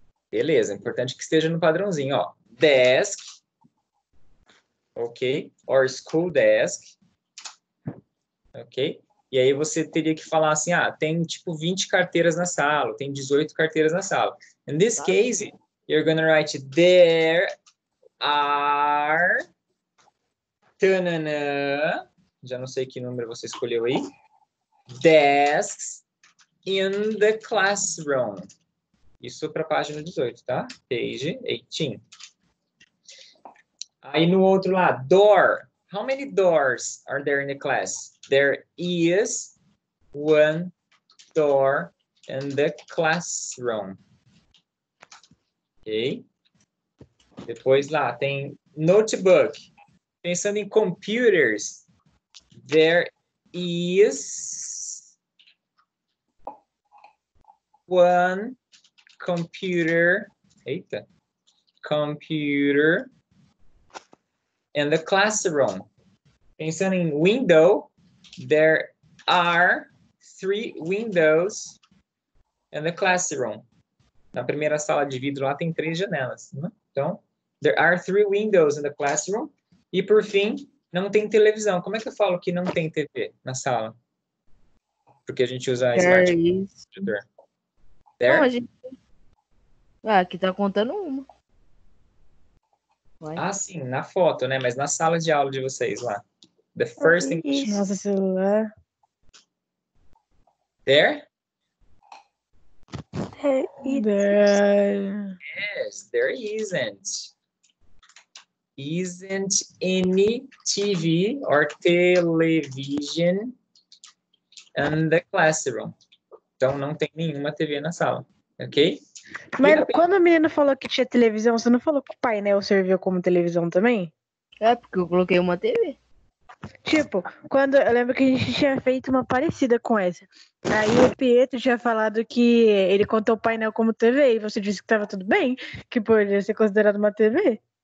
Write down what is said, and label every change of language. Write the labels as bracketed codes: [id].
[pt] Beleza, é importante que esteja no padrãozinho, ó. [en] Desk, ok? Or school desk, ok? [pt] E aí você teria que falar assim, ah, tem tipo 20 carteiras na sala, tem 18 carteiras na sala. [en] In this case, you're going to write there are... Ta-na-na. [pt] Já não sei que número você escolheu aí. [en] Desks in the classroom. [pt] Isso para a página 18, tá? [en] Page 18. [pt] Aí no outro lado, door. [en] How many doors are there in the class? There is one door in the classroom. Ok? [pt] Depois lá, tem notebook. Pensando em [en] computers, there is one computer, computer in the classroom. [pt] Pensando em [en] window, there are three windows in the classroom. [pt] Na primeira sala de vidro lá tem três janelas, né? [en] Então, there are three windows in the classroom. [pt] E por fim, não tem televisão. Como é que eu falo que não tem TV na sala? Porque a gente usa a smartphone. Aqui tá contando uma. Vai. Ah, sim, na foto, né? Mas na sala de aula de vocês lá. [en] The first thing. [pt] Nossa, celular. [en] There isn't. Isn't any TV or television in the classroom. [pt] Então, não tem nenhuma TV na sala, ok? Mas quando o menino falou que tinha televisão, você não falou que o painel serviu como televisão também? É, porque eu coloquei uma TV. Tipo, quando eu lembro que a gente tinha feito uma parecida com essa. Aí o Pietro tinha falado que ele contou o painel como TV e você disse que estava tudo bem, que poderia ser considerado uma TV.